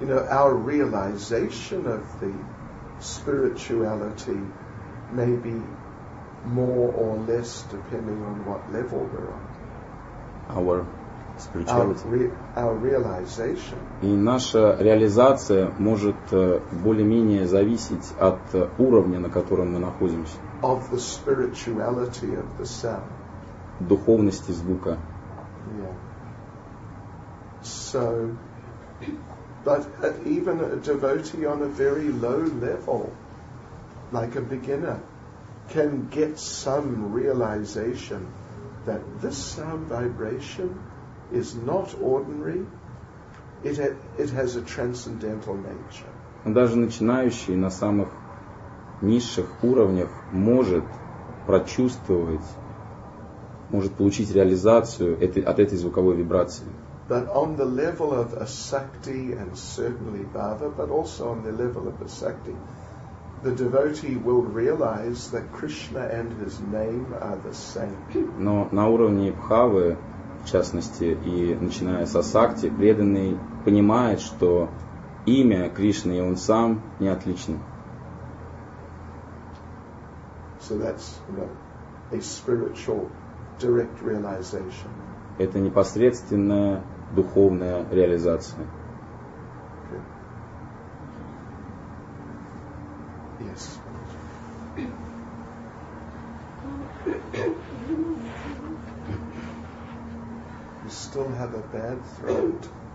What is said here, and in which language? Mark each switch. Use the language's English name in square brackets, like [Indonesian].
[English] Our realization of the spirituality may be more or less depending on what level we're on. Our spirituality. Our realization. [Russian] И наша реализация может более-менее зависеть от уровня, на котором мы находимся. [English] Of the spirituality of the sound. [Russian] Духовности звука. [English] Yeah. So. But even a devotee on a very low level, like a beginner, can get some realization that this sound vibration is not ordinary. It has a transcendental nature. [Russian] Даже начинающий на самых низших уровнях может прочувствовать, может получить реализацию от этой звуковой вибрации. [English] But on the level of Asakti and certainly Bhava, but also on the level of Asakti, the devotee will realize that Krishna and his name are the same. [Russian] Но на уровне Бхавы, в частности, и начиная с Асакти, преданный понимает, что имя Кришны и он сам не отличны. [English] So that's, you know, a spiritual direct realization. [Russian] Это непосредственное духовная реализация. [English] Okay. Yes. You still have a bad throat.